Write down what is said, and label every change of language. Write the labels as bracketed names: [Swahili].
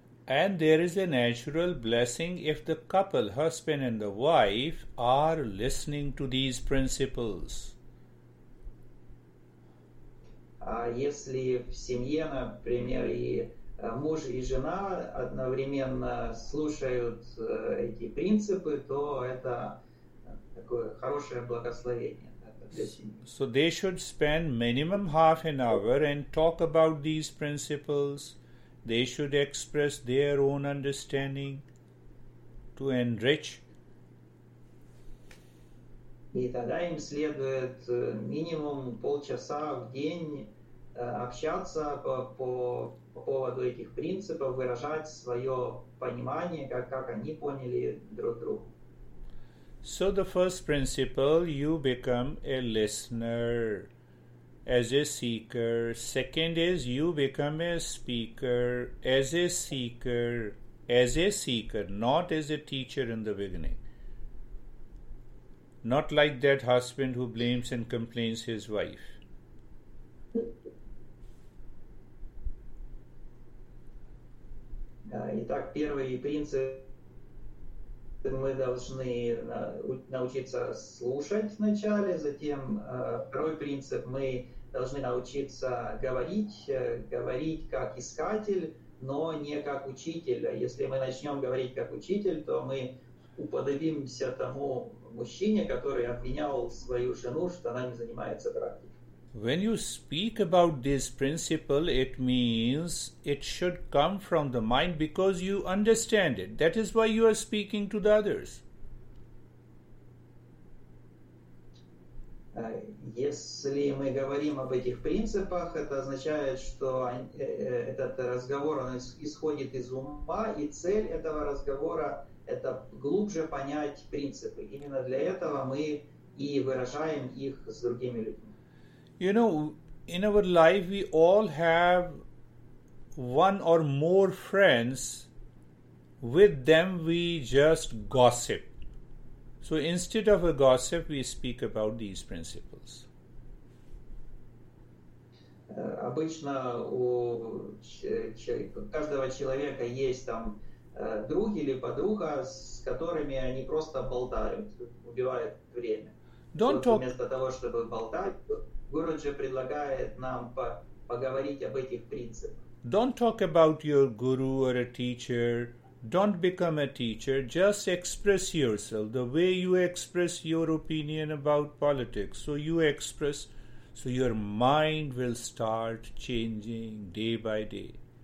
[English] And there is a natural blessing if the couple, husband and the wife, are listening to these principles. [Russian] Если в семье, например, и муж, и жена одновременно слушают эти принципы, то это такое хорошее благословение для семьи. [English] So they should spend minimum half an hour and talk about these principles. They should express their own understanding to enrich. [Russian] И тогда им следует минимум полчаса в день общаться по поводу этих принципов, выражать свое понимание, как они поняли друг друга. [English] So the first principle, you become a listener as a seeker. Second is you become a speaker as a seeker, not as a teacher in the beginning. Not like that husband who blames and complains his wife. [Russian] Итак, первый принцип, мы должны научиться слушать вначале, затем второй принцип, мы должны научиться говорить как искатель, но не как учитель. Если мы начнем говорить как учитель, то мы уподобимся тому мужчине, который обвинял свою жену, что она не занимается практикой. [English] When you speak about this principle, it means it should come from the mind because you understand it. That is why you are speaking to the others. [Russian] Если мы говорим об этих принципах, это означает, что этот разговор он исходит из ума, и цель этого разговора – это глубже понять принципы. Именно для этого мы и выражаем их с другими людьми. [English] You know, in our life, we all have one or more friends. With them, we just gossip. So instead of a gossip, we speak about these principles. [Russian] Обычно у каждого человека есть там друг или подруга, с которыми они просто болтают, убивают время. [English] Don't talk. [Russian] Вместо того, чтобы болтать, Гуруджи предлагает нам поговорить об этих принципах. [English] Don't talk about your guru or a teacher. Don't become a teacher. Just express yourself the way you express your opinion about politics. So your mind will start changing day by day.